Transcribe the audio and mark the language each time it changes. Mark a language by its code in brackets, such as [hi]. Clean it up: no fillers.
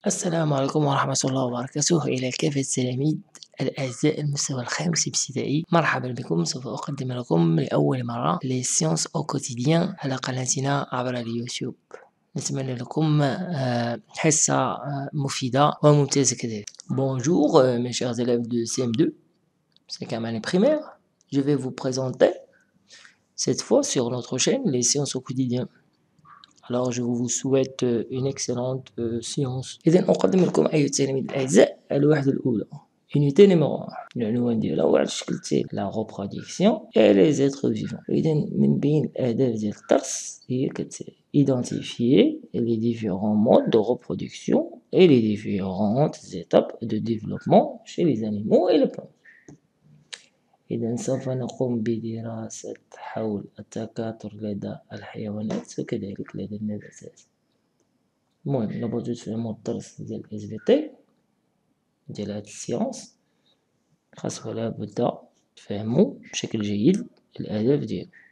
[ar] السلام عليكم ورحمة الله وبركاته إلى كافة التلاميذ الأعزاء المستوى الخامس ابتدائي. مرحبا بكم، سوف أقدم لكم لأول مرة [fr] لي سيونس أو كوتيديان [ar] على قناتنا عبر اليوتيوب. نتمنى لكم حصة مفيدة وممتازة كذلك. [fr] Bonjour mes chers élèves de CM2, cinquième année primaire. Je vais vous présenter cette fois sur notre chaîne les séances au quotidien. Alors je vous souhaite une excellente séance. [ar] إذن أقدم لكم أيها التلاميذ الأعزاء الوحدة الأولى. [fr] Unité numéro 1. [ar] العنوان ديالها هو على شكل تيل. [fr] La reproduction et les êtres vivants. [ar] إذن من بين الأهداف ديال الدرس هي كتالي. [fr] Identifier les différents modes de reproduction et les différentes étapes de développement chez les animaux et les plantes. [ar] إذن سوف نقوم بدراسة حول التكاثر لدى الحيوانات وكذلك لدى النباتات. المهم لابد تفهموا الدرس ديال الاس بي تي ديال هاد السيونس، خاص ولا بد تفهموا بشكل جيد الاهداف ديالو.